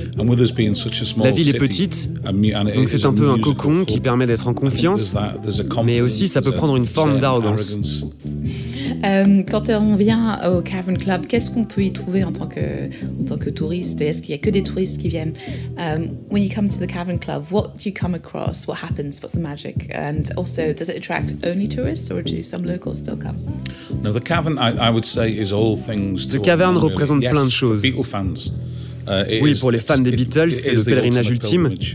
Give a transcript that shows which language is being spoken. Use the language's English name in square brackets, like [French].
[French] La ville est petite, donc c'est un peu un cocon qui permet d'être en confiance, mais aussi ça peut prendre une forme d'arrogance. Quand on vient au Cavern Club, qu'est-ce qu'on peut y trouver en tant que touriste? Est-ce qu'il y a que des touristes qui viennent? [English] When you come to the Cavern Club, what do you come across? What happens? What's the magic? And also, does it attract only tourists or do some locals still come? No, the Cavern, I would say, is all things. [French] The Cavern représente plein de choses. [English] Beatles fans. [French] Oui, pour les fans des Beatles, c'est le pèlerinage ultime.